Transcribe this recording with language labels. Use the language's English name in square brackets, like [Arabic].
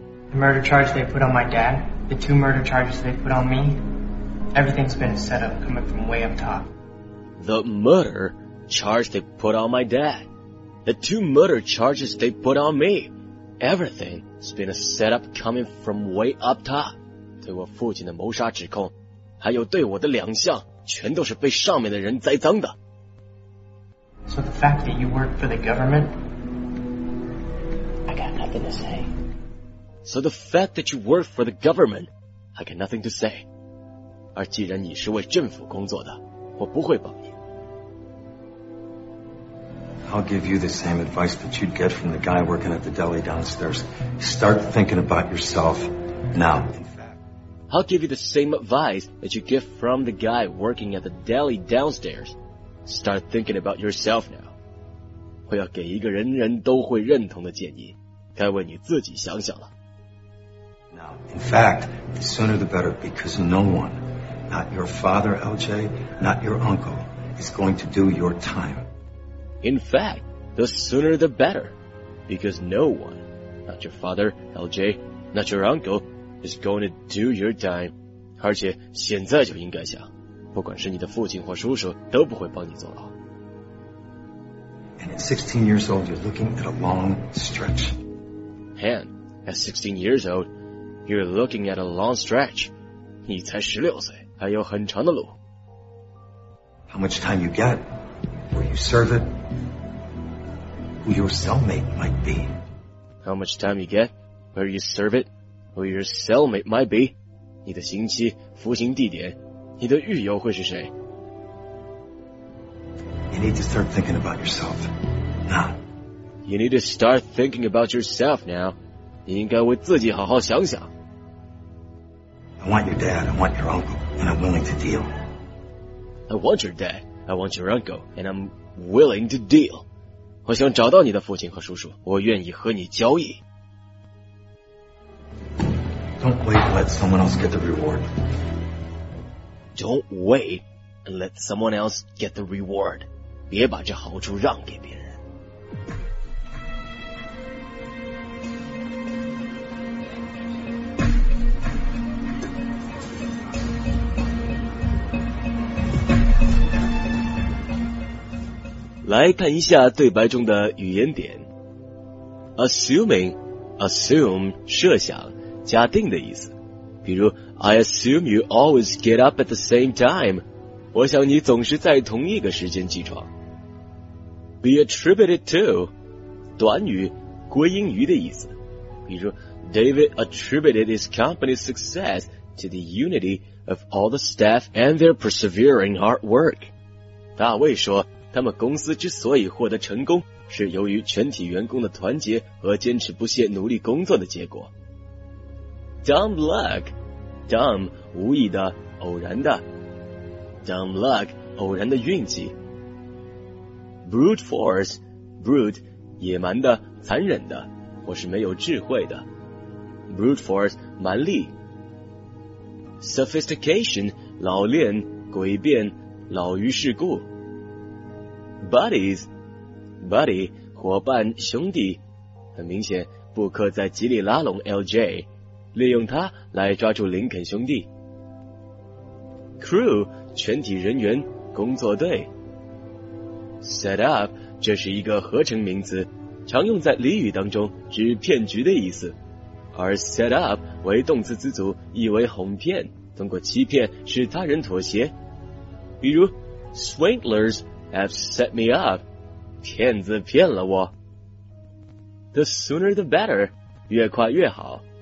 [English] The murder charge they put on my dad, the two murder charges they put on me, everything's been set up coming from way up top. The murder charge they put on my dad, the two murder charges they put on me, everything's been set up coming from way up top. [Chinese] 对我父亲的谋杀指控，还有对我的两项，全都是被上面的人栽赃的。 [English] So the fact that you work for the government, I got nothing to say. So the fact that you work for the government, I got nothing to say. [Chinese] 而既然你是为政府工作的，我不会帮你。 [English] I'll give you the same advice that you'd get from the guy working at the deli downstairs. Start thinking about yourself now. I'll give you the same advice that you get from the guy working at the deli downstairs. Start thinking about yourself now. [Chinese] 我要给一个人人都会认同的建议，该为你自己想想了。 [English] In fact, the sooner the better, because no one, not your father, LJ, not your uncle, is going to do your time. In fact, the sooner the better, because no one, not your father, LJ, not your uncle, is going to do your time. [Chinese] 而且现在就应该想，不管是你的父亲或叔叔都不会帮你坐牢。 [English] And at 16 years old, you're looking at a long stretch. And at 16 years old,You're looking at a long stretch. [Chinese] 你才十六岁，还有很长的路。 [English] How much time you get? Will you serve it? Who your cellmate might be? How much time you get? Will you serve it? Who your cellmate might be? [Chinese] 你的刑期、服刑地点、你的狱友会是谁 [English] ？You need to start thinking about yourself now. You need to start thinking about yourself now. [Chinese] 你应该为自己好好想想。 [English] I want your dad, I want your uncle, and I'm willing to deal. I want your dad, I want your uncle, and I'm willing to deal. [Chinese] 我想找到你的父亲和叔叔，我愿意和你交易。 [English] Don't wait and let someone else get the reward. Don't wait and let someone else get the reward. [Chinese] 别把这好处让给别人。来看一下对白中的语言点。Assuming, assume, 设想，假定的意思。 [English] 比如 I assume you always get up at the same time. [Chinese] 我想你总是在同一个时间起床。Be attributed to, 短语，归因于的意思。 [English] 比如 David attributed his company's success to the unity of all the staff and their persevering hard work. [Chinese] 大卫说他们公司之所以获得成功，是由于全体员工的团结和坚持不懈努力工作的结果。 Dumb luck, dumb 无意的、偶然的。 Dumb luck 偶然的运气。Brute force, brute 野蛮的、残忍的，或是没有智慧的。Brute force 蛮力。 sophistication, 老练、诡辩、老于世故。 Buddies, buddy, 伙伴、兄弟，很明显，布克在极力拉拢 LJ， 利用他来抓住林肯兄弟。 Crew, 全体人员、工作队。Set up, 这是一个合成名词，常用在俚语当中，指骗局的意思。而 set up 为动词词组，意为哄骗，通过欺骗使他人妥协。 [English] 比如 Swindlers have set me up， [Chinese] 骗子骗了我。 [English] The sooner the better， [Chinese] 越快越好。